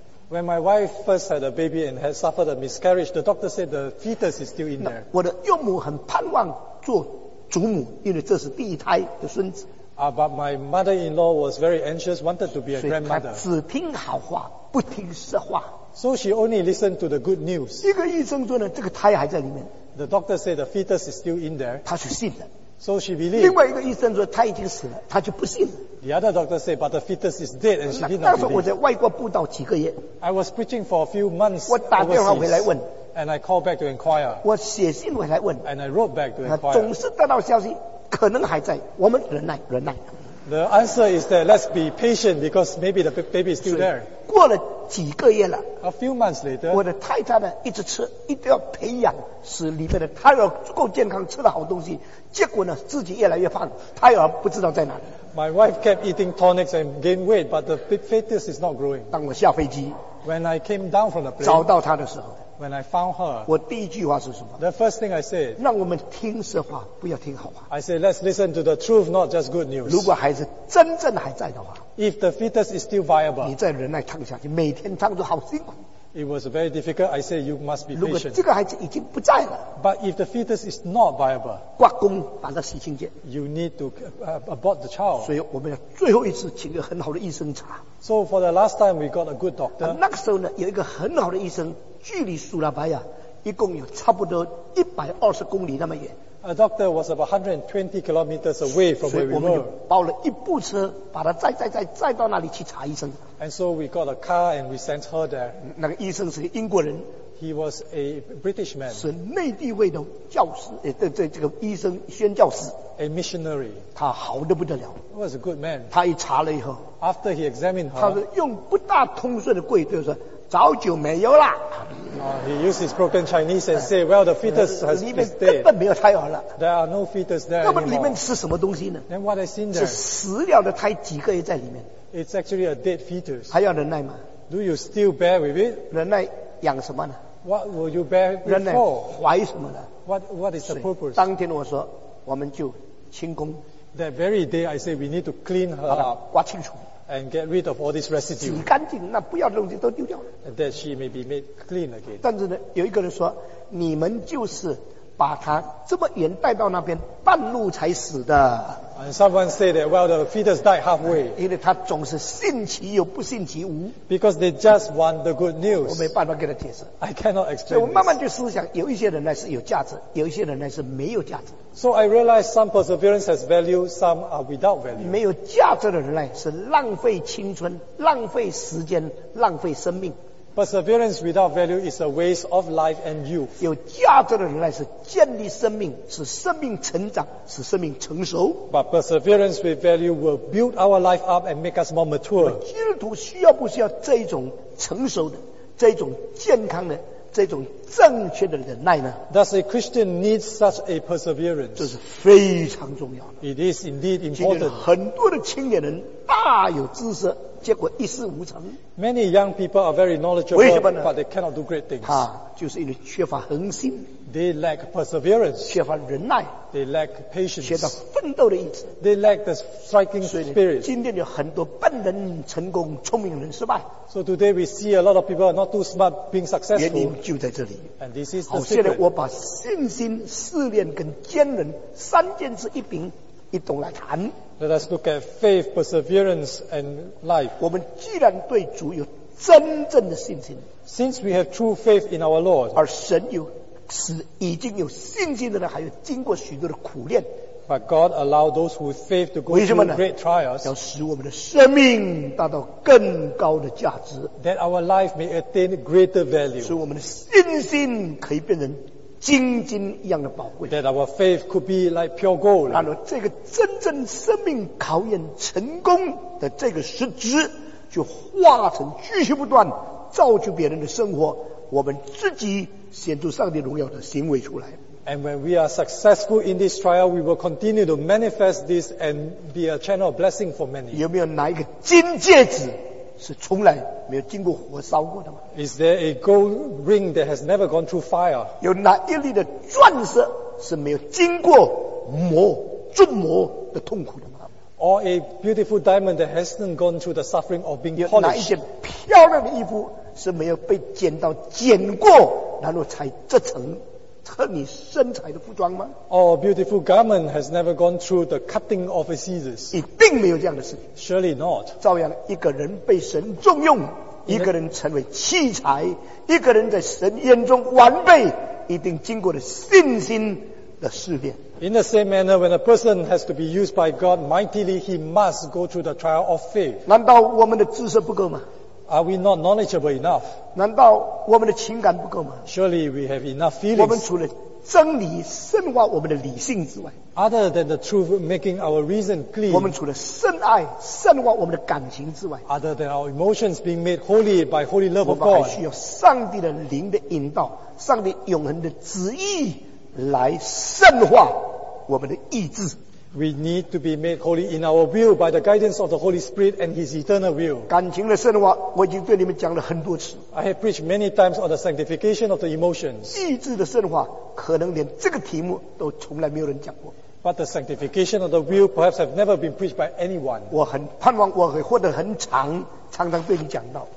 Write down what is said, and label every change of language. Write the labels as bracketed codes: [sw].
[en] When my wife first had a baby and had suffered a miscarriage, the doctor said the fetus is still in there. [zh] 我的岳母很盼望做祖母, 因为这是第一胎, 有孙子。 [en] But my mother-in-law was very anxious, wanted to be a grandmother. [zh] 只听好话, 不听实话。 [en] So she only listened to the good news. [zh] 一个医生说呢, 这个胎还在里面。 [en] The doctor said the fetus is still in there. [zh] 她是信的。 [en] So she believed. [zh] 另外一个医生说他已经死了, 她就不信了。 [en] The other doctor said, but the fetus is dead, and she did not [zh] 那时候我在外国布道几个月, [en] I was preaching for a few months. [zh] 我打电话回来问, [en] and I called back to inquire. [zh] 我写信回来问, [en] and I wrote back to inquire. [zh] 总是得到消息, 可能还在, 我们忍耐, 忍耐。 [en] The answer is that let's be patient because maybe the baby is still there. [zh] 过了几个月了, [en] a few months later, [zh] 我的太太呢一直吃, 一定要培养, 使里面的胎儿足够健康, 吃了好东西, 结果呢, 自己越来越胖, 胎儿不知道在哪里。 [en] My wife kept eating tonics and gained weight, but the fetus is not growing. [zh] 当我下飞机, [en] when I came down from the plane, [zh] 找到她的时候, [en] when I found her, [zh] 我第一句话是什么? [en] The first thing I said, [zh] 让我们听实话, 不要听好话。 [en] I said, let's listen to the truth, not just good news. [zh] 如果孩子真正还在的话, [en] if the fetus is still viable, [zh] 你再忍耐躺下去, 每天躺着好辛苦。 [en] It was very difficult. I said, you must be patient. [zh] 如果这个孩子已经不在了, [en] but if the fetus is not viable, [zh] 挂工, 把它洗清洁, [en] you need to abort the child. [zh] 所以我们最后一次请个很好的医生查。 [en] So for the last time, we got a good doctor. [zh] 那个时候呢, 有一个很好的医生, 距离苏拉巴亚, 一共有差不多120公里那么远。 [en] A doctor was about 120 kilometers away from where we were. [zh] 所以我们就包了一部车, 把他载到那里去查医生。 [en] And so we got a car and we sent her there. [zh] 那个医生是英国人, [en] he was a British man. [zh] 是内地位的教师, 这个医生, 宣教师, [en] a missionary. [zh] 他好得不得了, [en] he was a good man. [zh] 他一查了以后, [en] after he examined her, [zh] 他用不大通顺的贵族说, 早就没有了。 [en] He used his broken Chinese and said, well, the fetus has been dead. [zh] 根本没有胎儿了。 [en] There are no fetus there anymore. [zh] 那么里面是什么东西呢? [en] Then what is in there? [zh] 是死掉的胎几个月在里面。 [en] It's actually a dead fetus. [zh] 还要忍耐吗? [en] Do you still bear with it? [zh] 忍耐养什么呢? [en] What will you bear with for? [zh] 忍耐怀什么呢? [en] What is the purpose? [zh] 当天我说, 我们就清空。 [en] That very day, I said, we need to clean her up. [zh] 刮清楚。 [en] And get rid of all this residue. [zh] 洗干净, 那不要的东西都丢掉了。 [en] And that she may be made clean again. [zh] 但是呢, 有一个人说, 你们就是把他这么远带到那边，半路才死的。 [en] And someone said that, well, the fetus died halfway. [zh] 因为他总是信其有，不信其无。 [en] Because they just want the good news. [zh] 我没办法给他解释。 [en] I cannot explain. [zh] 所以我慢慢就思想，有一些人呢是有价值，有一些人呢是没有价值。 [en] So I realized some perseverance has value, some are without value. [zh] 没有价值的人呢是浪费青春、浪费时间、浪费生命。 [en] Perseverance without value is a waste of life and youth. [zh] 有价值的人是建立生命，使生命成长，使生命成熟。 [en] But perseverance with value will build our life up and make us more mature. [zh] 基督徒需要不需要这种成熟的、这种健康的、这种正确的忍耐呢？ [en] Does a Christian need such a perseverance? [zh] 这是非常重要的。 [en] It is indeed important. [zh] 很多的青年人大有姿色，结果一事无成。 [en] Many young people are very knowledgeable, but they cannot do great things. [zh] 就是因为缺乏恒心。 [en] They lack perseverance. [zh] 缺乏忍耐。 [en] They lack patience. [zh] 缺乏奋斗的意志。 [en] They lack the striking spirit. [zh] 今天有很多笨人成功，聪明人失败。 [en] So today we see a lot of people are not too smart being successful. [zh] 原因就在这里。 [en] And this is the secret. [zh] 现在我把信心、试炼跟坚韧三件事一并一同来谈。 [en] Let us look at faith, perseverance, and life. [zh] 我们既然对主有真正的信心， [en] since we have true faith in our Lord, [zh] 而神有使已经有信心的人还有经过许多的苦练， [en] but God allowed those with faith to go through great trials, [zh] 要使我们的生命达到更高的价值， [en] that our life may attain greater value, [zh] 使我们的信心可以变成金金一样的宝贵。 [en] That our faith could be like pure gold. [zh] 然后这个真正生命考验成功的这个实质，就化成继续不断造就别人的生活，我们自己显出上帝荣耀的行为出来。 [en] And when we are successful in this trial, we will continue to manifest this and be a channel of blessing for many. [zh] 有没有拿一个金戒指是从来没有经过火烧过的吗？ [en] Is there a gold ring that has never gone through fire? [zh] 有哪一粒的钻石是没有经过磨、铸磨的痛苦的吗？ [en] Or a beautiful diamond that hasn't gone through the suffering of being polished? [zh] 有哪一件漂亮的衣服是没有被剪刀剪过，然后才织成和你身材的服装吗？ [en] Or a beautiful garment has never gone through the cutting of a scissors. [zh] 一定没有这样的事情。 [en] Surely not. [zh] 照样一个人被神重用，一个人成为器材，一个人在神眼中完备，一定经过了信心的试炼。 [en] In the same manner, when a person has to be used by God mightily, he must go through the trial of faith. [zh] 难道我们的知识不够吗？ [en] Are we not knowledgeable enough? [zh] 难道我们的情感不够吗？ [en] Surely we have enough feelings. [zh] 我们除了真理深化我们的理性之外， [en] other than the truth making our reason clean, [zh] 我们除了深爱深化我们的感情之外， [en] other than our emotions being made holy by holy love of God, [zh] 我们还需要上帝的灵的引导，上帝永恒的旨意来深化我们的意志。 [en] We need to be made holy in our will by the guidance of the Holy Spirit and His eternal will. [zh] 感情的深化，我已经对你们讲了很多次。 [en] I have preached many times on the sanctification of the emotions. [zh] 意志的深化，可能连这个题目都从来没有人讲过。 [en] But the sanctification of the will perhaps have never been preached by anyone. [zh] 我很盼望我会活得很长，常常对你讲到。